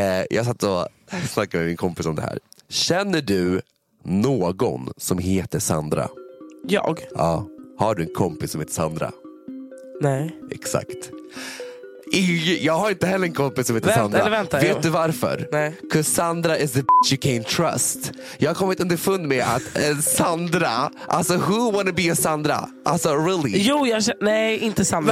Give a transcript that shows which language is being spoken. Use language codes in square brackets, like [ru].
[sv] Jag satt och snackade med min kompis om det här. Känner du någon som heter Sandra? Jag? Ja. Har du en kompis som heter Sandra? Nej. Exakt. Jag har inte heller en kompis som heter Sandra. Eller vänta. Vet du varför? Nej. [en] 'Cause Sandra is the bitch you can't trust. [sv] Jag har kommit underfund med att Sandra, alltså [en] who wanna be a Sandra? [sv] Alltså [en] really? [sv] Jo, jag känner, nej inte Sandra.